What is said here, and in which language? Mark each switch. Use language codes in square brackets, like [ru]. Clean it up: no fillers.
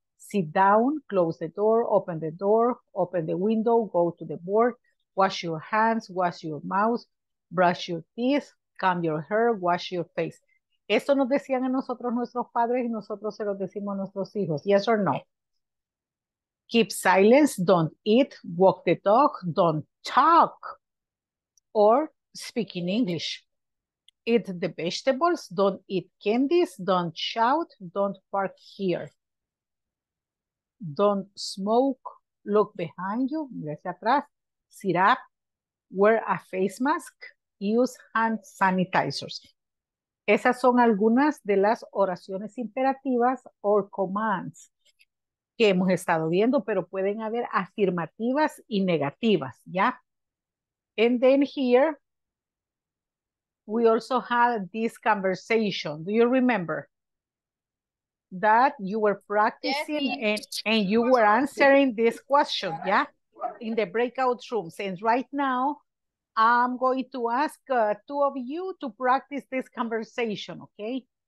[en] Sit down, close the door, open the window, go to the board, wash your hands, wash your mouth, brush your teeth, comb your hair, wash your face. [es] Eso nos decían a nosotros nuestros padres y nosotros se lo decimos a nuestros hijos. [en] Yes or no? Keep silence, don't eat, walk the dog, don't talk, or speak in English. Eat the vegetables, don't eat candies, don't shout, don't park here. Don't smoke, look behind you, [es] mira hacia atrás, [en] sit up, wear a face mask, use hand sanitizers. [es] Esas son algunas de las oraciones imperativas [en] or commands [es] que hemos estado viendo, pero pueden haber afirmativas y negativas, ¿ya? [en] And then here, we also had this conversation. Do you remember? That you were practicing and you were answering this question, yeah? In the breakout rooms. And right now, I'm going to ask two of you to practice this conversation, okay?